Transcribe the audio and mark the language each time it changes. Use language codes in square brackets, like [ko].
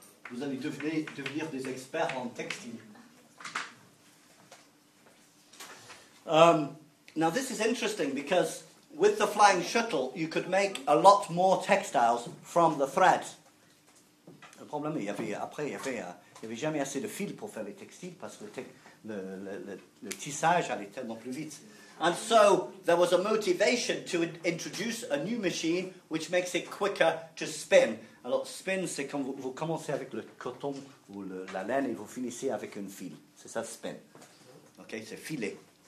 [fr] Vous allez devenir des experts en textile. [en] Now this is interesting because with the flying shuttle, you could make a lot more textiles from the thread. [fr] Le problème, il y avait jamais assez de fil pour faire les textiles parce que le tissage allait tellement plus vite. [en] And so there was a motivation to introduce a new machine which makes it quicker to spin. [fr] Alors, spin, c'est quand vous commencez avec le coton ou la laine et vous finissez avec un fil. C'est ça, spin. OK, c'est filé.